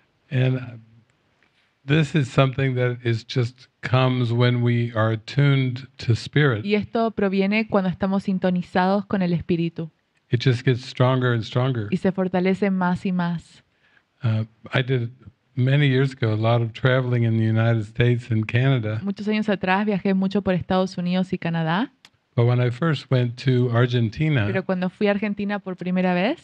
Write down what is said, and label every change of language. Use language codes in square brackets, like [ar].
[en] And this is something that is just comes when we are attuned to spirit. [es] Y esto proviene cuando estamos sintonizados con el espíritu. [en] It just gets stronger and stronger. [es] Y se fortalece más y más. [en] I did many years ago a lot of traveling in the United States and Canada. [es] Muchos años atrás viajé mucho por Estados Unidos y Canadá. [en] But when I first went to Argentina, [es] pero cuando fui a Argentina por primera vez,